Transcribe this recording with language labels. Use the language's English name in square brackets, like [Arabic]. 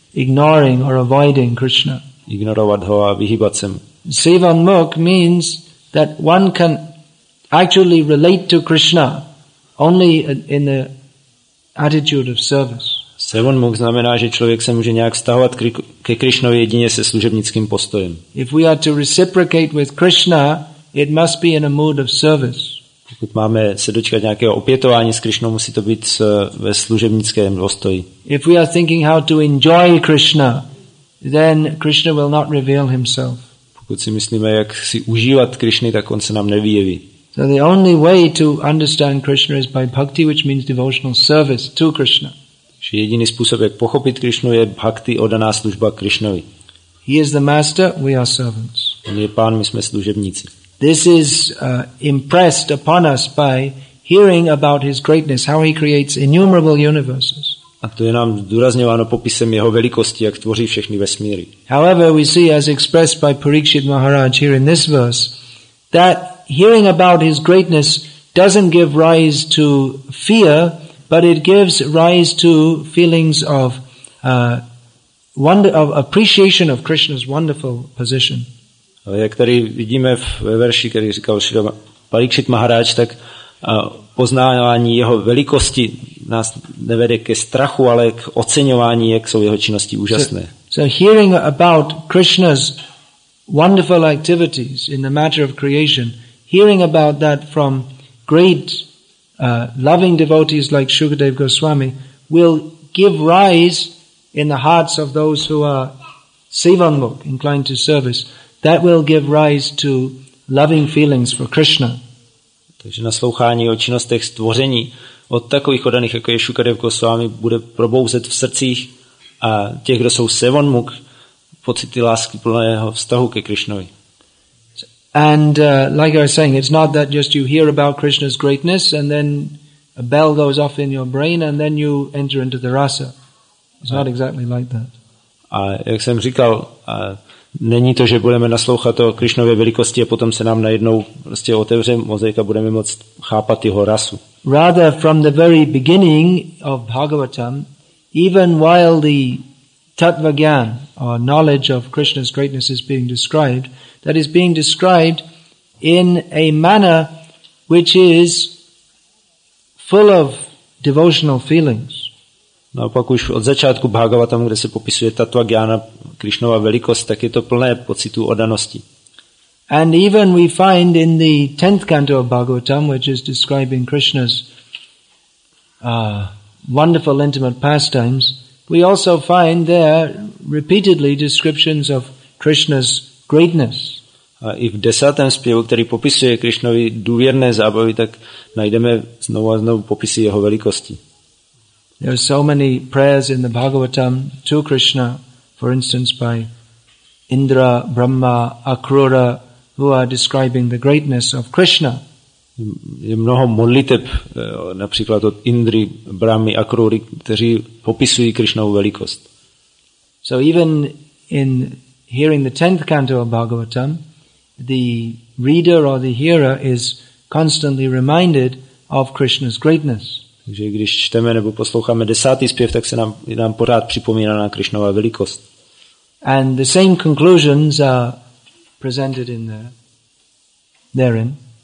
[English] Ignoring or avoiding Krishna. [Czech] Ignorovat ho a vyhýbat se mu. [English] Sevanmukh means that one can actually relate to Krishna only in the attitude of service. [Czech] Sevanmukh znamená, že člověk se může nějak vztahovat ke Krishnovi jedině se služebnickým postojem. [English] If we are to reciprocate with Krishna, it must be in a mood of service. [Czech] Pokud máme se dočkat nějakého opětování s Krishnou, musí to být ve služebnickém postoji. [English] If we are thinking how to enjoy Krishna, then Krishna will not reveal himself. [Czech] Pokud si myslíme, jak si užívat Krishny, tak on se nám nevyjeví. [English] So the only way to understand Krishna is by bhakti, which means devotional service to Krishna. [Czech] Jediný způsob, jak pochopit Krishnu, je bhakti, oddaná služba Krishnovi. [English] He is the master, we are servants. [Czech] On je pán, my jsme služebníci. [English] This is impressed upon us by hearing about his greatness, how he creates innumerable universes. [Czech] A to je nám zdůrazněváno popisem jeho velikosti, jak tvoří všechny vesmíry. [English] However, we see as expressed by Parikshit Maharaj here in this verse that hearing about his greatness doesn't give rise to fear, but it gives rise to feelings of wonder, of appreciation of Krishna's wonderful position. [Czech] Ale jak tady vidíme ve verši, který říkal Parikshit Maharaj, tak poznávání jeho velikosti nás nevede ke strachu, ale k oceňování, jak jsou jeho činnosti úžasné. [English] So hearing about Krishna's wonderful activities in the matter of creation, hearing about that from great loving devotees like Shukadeva Goswami will give rise in the hearts of those who are sevanmukh, inclined to service, that will give rise to loving feelings for Krishna. [Czech] Takže naslouchání o činnostech stvoření od takových odaných, jako je Shukadeva Goswami, bude probouzet v srdcích a těch, kdo jsou sevanmukh, pocity lásky plného vztahu ke Krishnovi. [English] And like I was saying, it's not that just you hear about Krishna's greatness and then a bell goes off in your brain and then you enter into the rasa. It's not exactly like that. [Czech] A jak jsem říkal, není to, že budeme naslouchat o Krišnově velikosti a potom se nám najednou prostě otevře mozek a budeme moct chápat jeho rasu. [English] Rather, from the very beginning of Bhagavatam, even while the tattva-gyan, or knowledge of Krishna's greatness, is being described, that is being described in a manner which is full of devotional feelings. [Czech] Naopak už od začátku Bhagavatam, kde se popisuje tattva-gyana, Krišnova velikost, tak je to plné pocitu oddanosti. [English] And even we find in the 10th canto of Bhagavatam, which is describing Krishna's wonderful intimate pastimes, we also find there repeatedly descriptions of Krishna's greatness. [Czech] A i v 10. zpěvu, který popisuje Krišnovi důvěrné zábavy, tak najdeme znovu a znovu popisy jeho velikosti. [English] There are so many prayers in the Bhagavatam to Krishna, for instance by Indra, Brahma, Akrura, who are describing the greatness of Krishna. [Czech] Je mnoho modliteb, například od Indry, Brahmy, Akrury, kteří popisují Krišnovu velikost. [English] So even in hearing the 10th canto of Bhagavatam, the reader or the hearer is constantly reminded of Krishna's greatness. [Czech] Takže když čteme nebo posloucháme 10. zpěv, tak se nám pořád připomíná na Krišnova velikost. [English] And the same conclusions are presented in the therein.